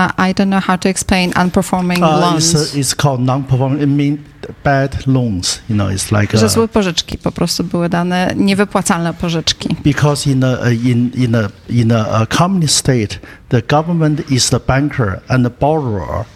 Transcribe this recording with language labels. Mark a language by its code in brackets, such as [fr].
[en] I don't know how to explain unperforming loans. It's called non-performing, it means bad loans, you know, it's like... [pl] Że złe pożyczki po prostu były dane, niewypłacalne pożyczki. [en] Because in a communist state, the government is the banker and the borrower.